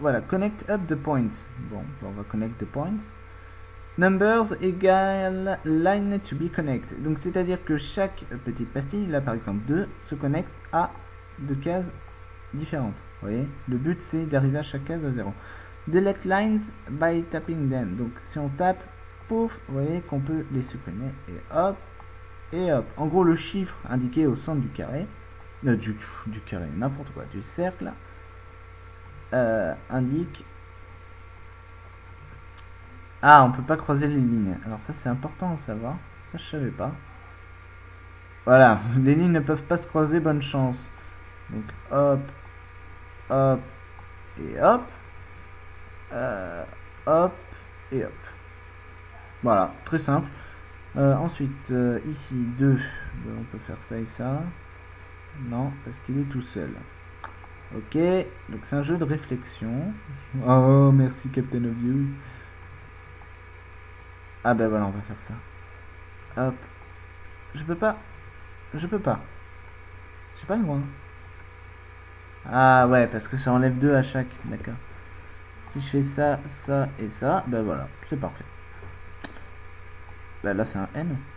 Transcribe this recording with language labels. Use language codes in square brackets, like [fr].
[fr] Voilà, [en] connect up the points. [fr] Bon, on va [en] connect the points. Numbers égale line to be connect. [fr] Donc c'est-à-dire que chaque petite pastille, là par exemple 2, se connecte à deux cases différentes. Vous voyez? Le but c'est d'arriver à chaque case à 0. [en] Delete lines by tapping them. [fr] Donc si on tape, pouf, vous voyez qu'on peut les supprimer et hop, en gros le chiffre indiqué au centre du carré, du carré, n'importe quoi, du cercle, indique. Ah, on peut pas croiser les lignes. Alors ça c'est important à savoir, ça je savais pas. Voilà, les lignes ne peuvent pas se croiser, bonne chance. Donc hop, hop, et hop. Hop et hop. Voilà, très simple. Ensuite, ici, 2. Donc, on peut faire ça et ça. Non, parce qu'il est tout seul. Ok, donc c'est un jeu de réflexion. Oh, merci Captain Obvious. Ah ben voilà, on va faire ça. Hop. Je peux pas. Je peux pas. J'ai pas le droit. Ah ouais, parce que ça enlève 2 à chaque. D'accord. Si je fais ça, ça et ça, ben voilà, c'est parfait. Ben là, c'est un N.